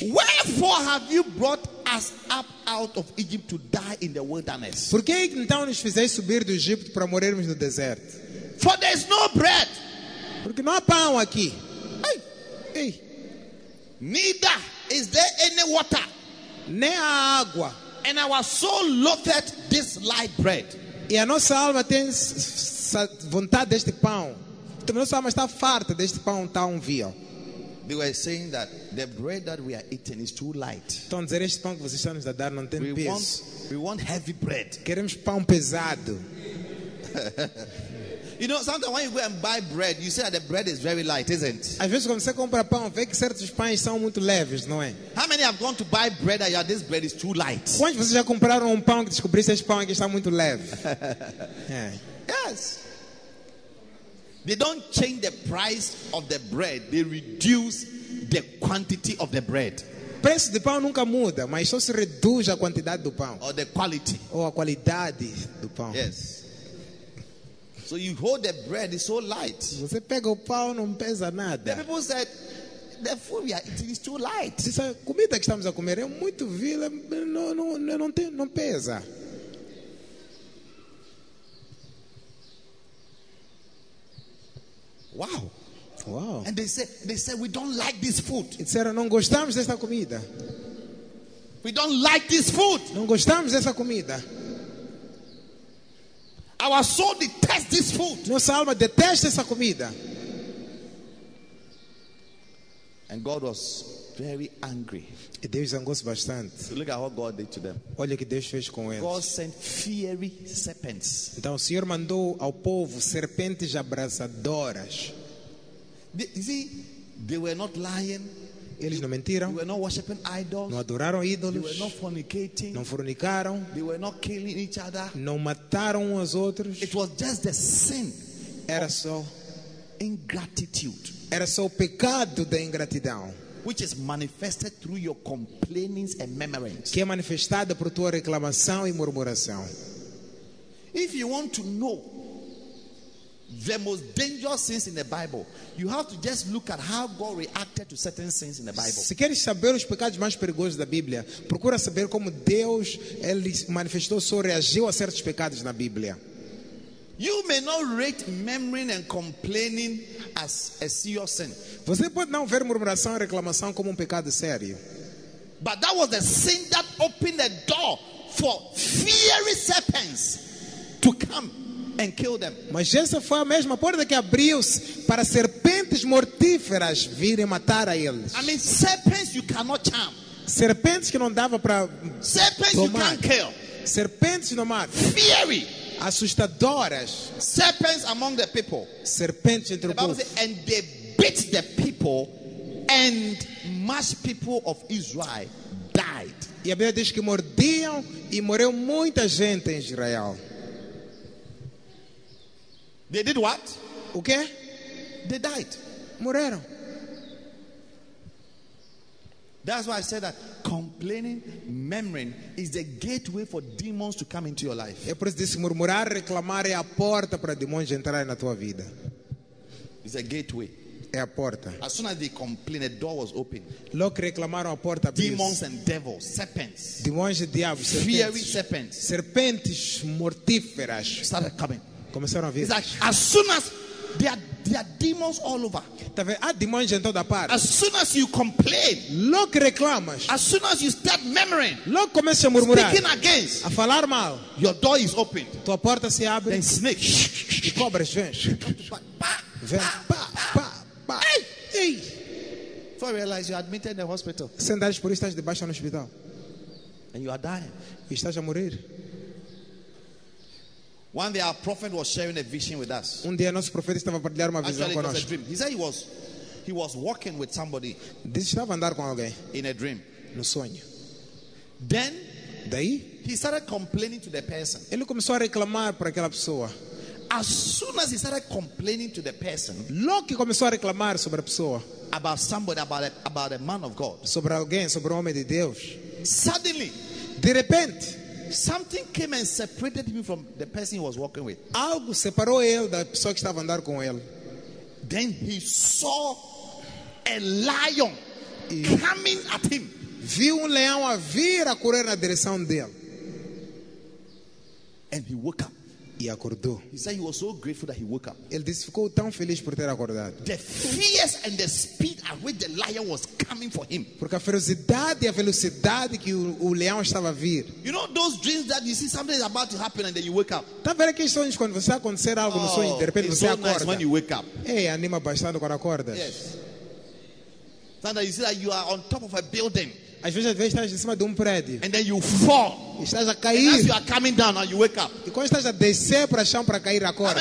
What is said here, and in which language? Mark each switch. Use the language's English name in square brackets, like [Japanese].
[English] Wherefore have you brought us up out of Egypt to die in the wilderness? [Portuguese] Por que então nos fizeste subir do Egito para morrermos no deserto? [English] For there is no bread. [Portuguese] Porque não há pão aqui. Ei. Ei. [English] Neither is there any water. [Portuguese] Nem há água. [English] And our soul loathed this light bread. [Portuguese] E a nossa alma tem vontade deste pão. A nossa alma está farta deste pão tão vil. [English] They were saying that the bread that we are eating is too light. [Portuguese] Então, dizer este pão que vocês estão nos a dar não tem peso. [English] We want heavy bread. [Portuguese] Queremos pão pesado. [English] You know, sometimes when you go and buy bread, you say that the bread is very light, isn't it? [Portuguese] Às vezes quando você compra pão, vê que certos pães são muito leves, não é? [English] How many have gone to buy bread and this bread is too light? [Portuguese] Quantos vocês já compraram pão que descobriram que este pão aqui está muito leve? [English] Yes. They don't change the price of the bread. They reduce the quantity of the bread. [Portuguese] Preço do pão nunca muda, mas só se reduz a quantidade do pão. [English] Or the quality. [Portuguese] Ou a qualidade do pão. [English] Yes. So you hold the bread, it's so light. [Portuguese] Você pega o pão, não pesa nada. [English] The people said, the food we are eating is too light. [Portuguese] Essa comida que estamos a comer é muito vil, não pesa. Wow. Wow. [English] And they said we don't like this food. [Portuguese] Disseram, não gostamos desta comida. [English] We don't like this food. [Portuguese] Não gostamos dessa comida. [English] Our soul detests this food. [Portuguese] Nossa alma detesta essa comida. [English] And God was very angry. [Portuguese] E Deus zangou-se bastante. [English] So look at what God did to them. [Portuguese] Olha o que Deus fez com eles. [English] God sent fiery serpents. [Portuguese] Então o Senhor mandou ao povo serpentes abrasadoras. [English] They were not lying. [Portuguese] Eles não mentiram. [English] They were not worshiping idols. [Portuguese] Não adoraram ídolos. [English] They were not fornicating. [Portuguese] Não fornicaram. [English] They were not killing each other. [Portuguese] Não mataram uns aos outros. [English] It was just the sin. [Portuguese] Era só [English] ingratitude. [Portuguese] Era só o pecado da ingratidão. [English] Which is manifested through your complainings and murmurings. [Portuguese] Que é manifestada por tua reclamação e murmuração. [English] If you want to know the most dangerous sins in the Bible, you have to just look at how God reacted to certain sins in the Bible. [Portuguese] Se queres saber os pecados mais perigosos da Bíblia, procura saber como Deus ele manifestou ou reagiu a certos pecados na Bíblia. [English] You may not rate murmuring and complaining as a serious sin. [Portuguese] Você pode não ver murmuração e reclamação como pecado sério. [English] But that was the sin that opened the door for fiery serpents to come and kill them. [Portuguese] Mas essa foi a mesma porta que abriu-se para serpentes mortíferas virem matar a eles. [English] I mean, serpents you cannot charm. [Portuguese] Serpentes que não dava para [English] serpents [Portuguese] tomar. [English] You can't kill. [Portuguese] Serpentes no mar. [English] Fiery. [Portuguese] Assustadoras. [English] Serpents among the people. [Portuguese] Serpentes entre o povo. [English] And they bit the people and much people of Israel died. [Portuguese] E a Bíblia diz que mordiam e morreu muita gente em Israel. [English] They did what? [Portuguese] O quê? [English] They died. [Portuguese] Morreram. [English] That's why I said that complaining, murmuring is the gateway for demons to come into your life. [Portuguese] É por isso que murmurar, reclamar é a porta para demônios entrarem na tua vida. [English] It's a gateway. [Portuguese] É a porta. [English] As soon as they complained, a door was open. [Portuguese] Logo reclamaram, a porta abriu. [English] Demons and devils, serpents. [Portuguese] Demônios e diabos, [English] fiery serpents. [Portuguese] Serpentes mortíferas. [English] Started coming. [Portuguese] Começaram a vir. [English] It's like, as soon as there are demons all over. [Portuguese] Tá vendo? Há demônios em toda parte. [English] As soon as you complain, [Portuguese] logo reclamas. [English] As soon as you start murmuring, [Portuguese] logo começa a murmurar. [English] Speaking against, [Portuguese] a falar mal. [English] Your door is open. [Portuguese] Tua porta se abre. [English] Then snakes, [Portuguese] e cobras vêm. Vem. Hey! [English] So I realize you're admitted in the hospital. [Portuguese] Sentares por isso estás de baixo no hospital. [English] And you are dying. [Portuguese] E estás a morrer. [English] One day our prophet was sharing a vision with us. [Portuguese] Um dia nosso profeta estava a partilhar uma visão conosco. [English] Actually, it was a dream. He said he was walking with somebody. [Portuguese] Diz estava a andar com alguém. [English] In a dream. [Portuguese] No sonho. [English] Then. [Portuguese] Daí. [English] He started complaining to the person. [Portuguese] Ele começou a reclamar para aquela pessoa. [English] As soon as he started complaining to the person, [Portuguese] logo que começou a reclamar sobre a pessoa, [English] about somebody, about a man of God, [Portuguese] sobre alguém, sobre um homem de Deus, [English] suddenly, [Portuguese] de repente, [English] something came and separated him from the person he was walking with. [Portuguese] Algo separou ele da pessoa que estava a andar com ele. [English] Then he saw a lion coming at him. [Portuguese] Viu leão a vir a correr na direção dele. [English] And he woke up. [Portuguese] E acordou. [English] He said he was so grateful that he woke up. [Portuguese] Ele disse ficou tão feliz por ter acordado. [English] The fierce and the speed at which the lion was coming for him. [Portuguese] Porque a ferocidade e a velocidade que o leão estava a vir. [English] You know those dreams that you see something is about to happen and then you wake up. [Portuguese] Tá vendo aqueles sonhos quando você acontecer algo no sonho e de repente você acorda. [English] Nice when you wake up. [Portuguese] Hey, anima bastante quando acordas. [English] Yes. Sometimes you see that you are on top of a building. [Portuguese] Às vezes estás em cima de prédio. [English] And then you fall. [Portuguese] E estás a cair. [English] And as you are coming down, you wake up. [Portuguese] E quando estás a descer para chão para cair, acorda.